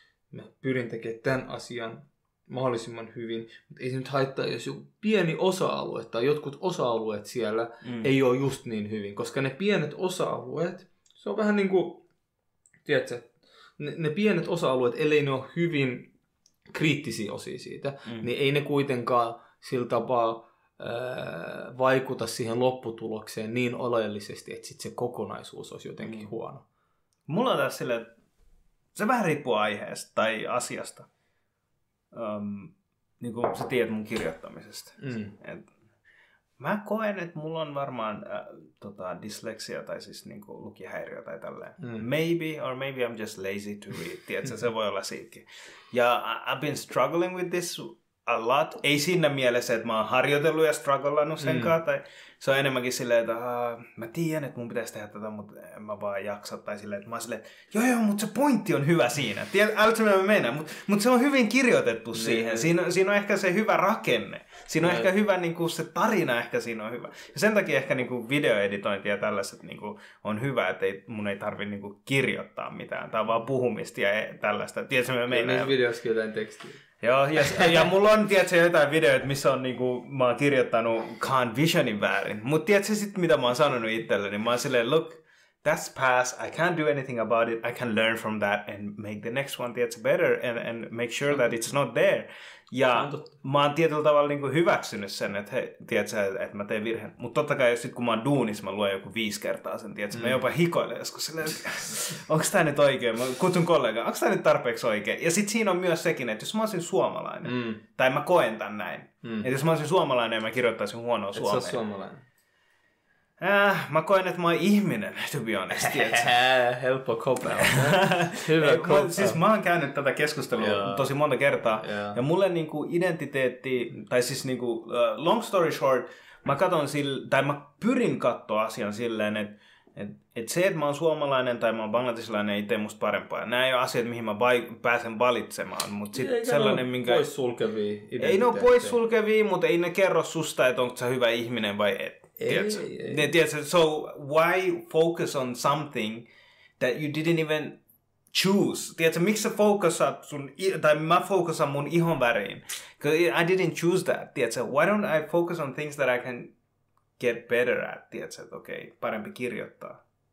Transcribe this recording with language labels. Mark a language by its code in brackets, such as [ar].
[fi] Mä pyrin tekemään tämän asian mahdollisimman hyvin, mutta ei se nyt haittaa, jos joku pieni osa-alue tai jotkut osa-alueet siellä ei ole just niin hyvin, koska ne pienet osa-alueet, se on vähän niin kuin, tiedätkö, ne pienet osa-alueet, ellei ne ole hyvin kriittisiä osia siitä, niin ei ne kuitenkaan sillä tapaa vaikuta siihen lopputulokseen niin oleellisesti, että sitten se kokonaisuus olisi jotenkin huono. Mulla on tässä silleen, se vähän riippuu aiheesta tai asiasta. Niin kuin sä tiedät mun kirjoittamisesta. Mä koen, että mulla on varmaan dysleksia tai siis niinku lukihäiriö tai tälleen. [en] Maybe or maybe I'm just lazy to read. [fi] Tiedätkö, se voi olla siitäkin. [en] Ja I've been struggling with this a lot. [fi] Ei siinä mielessä, että mä oon harjoitellut ja struggleannut senkaan. Tai se on enemmänkin silleen, että mä tiedän, että mun pitäisi tehdä tätä, mutta en mä vaan jaksa. Tai silleen, että mä oon silleen, että joo, mutta se pointti on hyvä siinä. Älä mitä mä menen. Mutta se on hyvin kirjoitettu siihen. Siinä on ehkä se hyvä rakenne. Siinä on ehkä hyvä, niin kuin se tarina ehkä siinä on hyvä. Ja sen takia ehkä niin kuin videoeditointi ja tällaiset niin kuin on hyvä, että mun ei tarvitse niin kuin kirjoittaa mitään. Tai vaan puhumista ja tällaista. Tiedätkö mitä mä menen? Niissä videossakin jotain tekstiä. Joo, ja mulla on, tiedätkö, jotain videoita, missä on, niin kuin, mä oon kirjoittanut Khan Visionin väärin. Mutta tiedätkö sit, mitä mä oon sanonut itselleni? Niin mä oon silleen, [en] look, that's past, I can't do anything about it, I can learn from that and make the next one, [fi] tiedätkö, [en] better and make sure that it's not there. [fi] Ja mä oon tietyllä tavalla niin kuin hyväksynyt sen, että hei, tiedätkö, että mä teen virheen. Mutta totta kai, sit, kun mä oon duunissa, mä luen joku 5 kertaa sen, tiedätkö, mä jopa hikoilen joskus silleen, onks tää nyt oikein? Mä kutsun kollegaa, onks tää nyt tarpeeksi oikein? Ja sit siinä on myös sekin, että jos mä olisin suomalainen, tai mä koen tän näin, että jos mä olisin suomalainen, mä kirjoittaisin huonoa suomea. Et sä oot suomalainen. Mä koen, että mä oon ihminen, [en] to be honest. [fi] Helppo kopea. Hyvä kopea. Siis mä oon käynyt tätä keskustelua tosi monta kertaa. [en] Yeah. [fi] Ja mulle niinku identiteetti, tai siis niinku, [en] long story short, [fi] mä pyrin katsoa asian silleen, että se, että mä oon suomalainen tai mä oon bangladesilainen, ei tee musta parempaa. Nämä ei ole asiat, mihin mä pääsen valitsemaan. Mut sit sellainen, minkä... Poissulkevia identiteettejä. Ei ne ole poissulkevia, mutta ei ne kerro susta, että onko sä hyvä ihminen vai et. Tiedätkö? [en] So why focus on something that you didn't even choose? [fi] Tiedätkö, miksi sä fokusat sun, tai mä fokusan mun ihon väriin? [en] I didn't choose that. [fi] Tiedätkö, [en] why don't I focus on things that I can get better at? [fi] Tiedätkö, että okei, parempi kirjoittaa.